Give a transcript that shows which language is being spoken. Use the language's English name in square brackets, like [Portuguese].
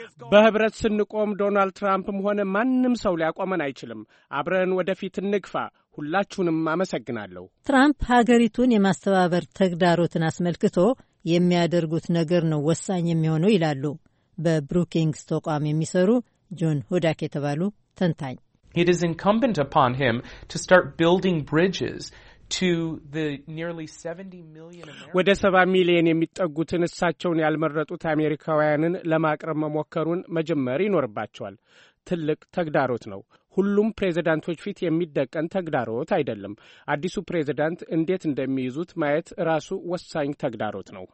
[Amharic] በህብረት ስንቆም ዶናልድ ትራምፕም ሆነ ማንም ሰው ሊያቆመን አይችልም። አብረን ወደፊት እንግፋ። ሁላችሁንም አመሰግናለሁ። ትራምፕ ሀገሪቱን የማስተባበር ተግዳሮትን አስመልክቶ የሚያደርጉት ነገር ነው ወሳኝ የሚሆነው ይላሉ በብሩኪንግስ ተቋም የሚሰሩ ጆን ሆዳክ የተባሉ ተንታኝ። [English] It is incumbent upon him to start building bridges to the nearly 70 million Americans. [Amharic] ወደ 70 ሚሊዮን የሚጠጉትን እሳቸውን ያልመረጡት አሜሪካውያንን ለማቅረብ መሞከሩን መጀመር ይኖርባቸዋል። ትልቅ ተግዳሮት ነው። ሁሉም ፕሬዝዳንቶች ፊት የሚደቀን ተግዳሮት አይደለም። አዲሱ ፕሬዝዳንት እንዴት እንደሚይዙት ማየት ራሱ ወሳኝ ተግዳሮት ነው።